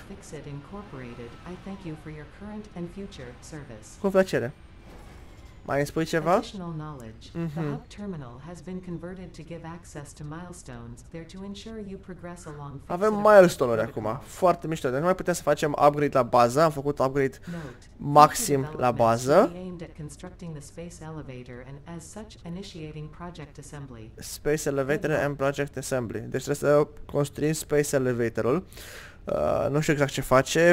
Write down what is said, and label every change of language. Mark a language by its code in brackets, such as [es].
[en] FICSIT Incorporated, I thank you for your current and future service. [ro] Cu plăcere. Mai îmi spui ceva? [en] Additional knowledge. The hub terminal has been converted to give access to milestones there to ensure you progress along. [ro] Avem milestone-uri acum. Foarte mișto. Deci nu mai putem să facem upgrade la bază. Am făcut upgrade maxim la bază. [en] Space elevator and as such initiating project assembly. Space elevator and project assembly. [ro] Deci trebuie să construim space elevator-ul. Nu știu exact ce face.